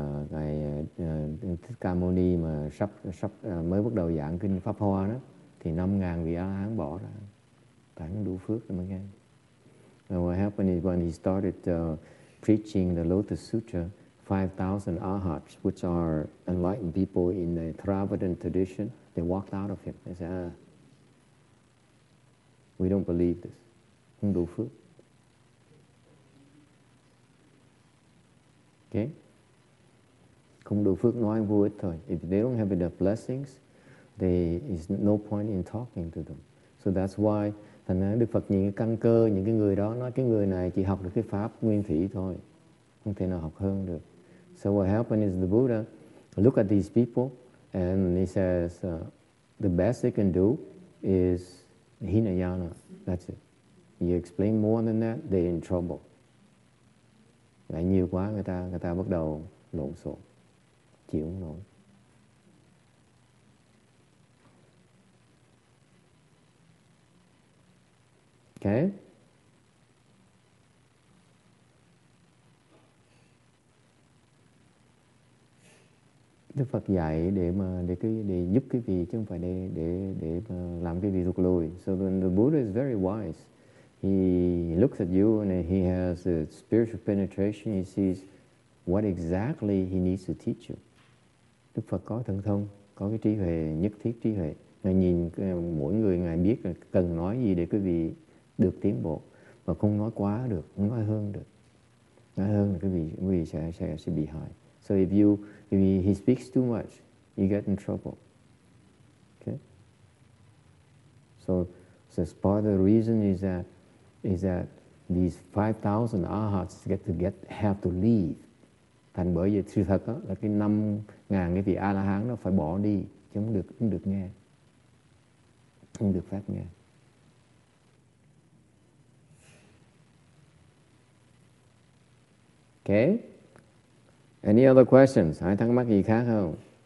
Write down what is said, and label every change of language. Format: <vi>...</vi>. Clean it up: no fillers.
<vi>Như ngài Thích Ca Mâu Ni mà sắp mới bắt đầu giảng kinh Pháp Hoa đó, thì 5,000 vị A La Hán bỏ ra, tại không đủ phước mới nghe.</vi> <en>And what happened is when he started preaching the Lotus Sutra, 5,000 Arhats, which are enlightened people in the Theravadin tradition, they walked out of him. They said, we don't believe this.</en> <vi>Không đủ phước.</vi> <en>Okay?</en> <vi>Không đủ phước nói vô ích thôi.</vi> <en>If they don't have enough blessings, there is no point in talking to them. So that's why</en> <vi>Đức Phật nhìn cái căn cơ, những cái người đó, nói cái người này chỉ học được cái pháp nguyên thủy thôi. Không thể nào học hơn được.</vi> <en>So what happened is the Buddha look at these people and he says, the best they can do is Hinayana. That's it. You explain more than that, they're in trouble.</en> <vi>Ngại nhiều quá, người ta bắt đầu lộn xộn, chịu không nổi.</vi> <en>Okay?</en> <vi>Đức Phật dạy để giúp cái vị, chứ không phải để mà làm cái vị thuộc lùi.</vi> <en>So then the Buddha is very wise. He looks at you and he has a spiritual penetration. He sees what exactly he needs to teach you.</en> <vi>Đức Phật có thần thông, có cái trí huệ, nhất thiết trí huệ. Ngài nhìn mỗi người, ngài biết là cần nói gì để quý vị được tiến bộ. Mà không nói quá được, không nói hơn được. Nói hơn là quý vị sẽ bị hại.</vi> <en>So if he speaks too much, you get in trouble. Okay? So part of the reason is that these 5,000 arhats have to leave.</en> <vi>Thành bởi vì sự thật đó, là cái 5,000 cái vị A-la-hán nó phải bỏ đi, chứ không được nghe. không được phát nghe.</vi> <en>Okay. Any other questions?</en> <vi>Hai thắc mắc gì khác không?</vi>